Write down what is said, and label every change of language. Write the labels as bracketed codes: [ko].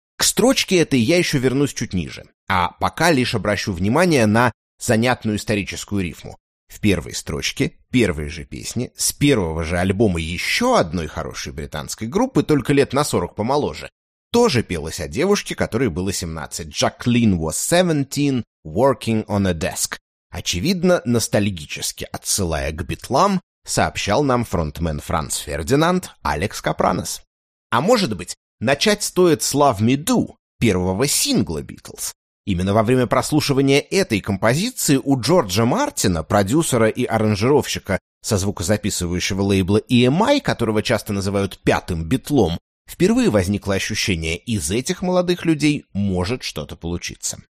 [ru] К строчке этой я еще вернусь чуть ниже, а пока лишь обращу внимание на занятную историческую рифму. В первой строчке, первой же песни, с первого же альбома еще одной хорошей британской группы, только лет на 40 помоложе, тоже пелось о девушке, которой было 17. [en] Jacqueline was 17, working on a desk. [ru] Очевидно, ностальгически отсылая к Битлам, сообщал нам фронтмен Франц Фердинанд Алекс Капранос. А может быть, начать стоит с Love Me Do, первого сингла Битлз. Именно во время прослушивания этой композиции у Джорджа Мартина, продюсера и аранжировщика со звукозаписывающего лейбла EMI, которого часто называют «пятым битлом», впервые возникло ощущение, из этих молодых людей может что-то получиться.